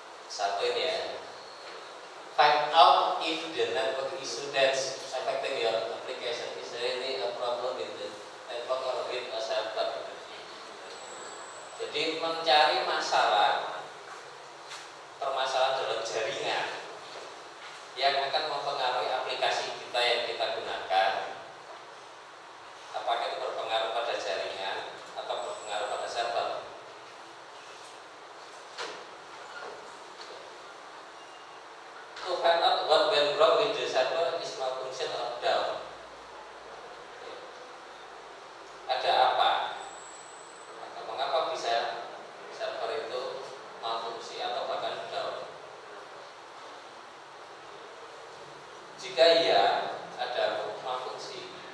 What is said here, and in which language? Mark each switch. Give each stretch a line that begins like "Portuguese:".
Indonesian: Satu ini ya,
English: find out if the network issue that's affecting your application is really a problem in the network or with a server.
Indonesian: Jadi mencari masalah, permasalahan dalam jaringan yang akan mempengaruhi aplikasi kita yang kita gunakan. Apakah itu berpengaruh pada jaringan atau berpengaruh pada server?
English: To find out what went wrong with the server is malfunction or down.
Indonesian: Ada apa? Atau mengapa bisa server itu malfungsi atau bahkan down? Jika iya, ada malfungsi.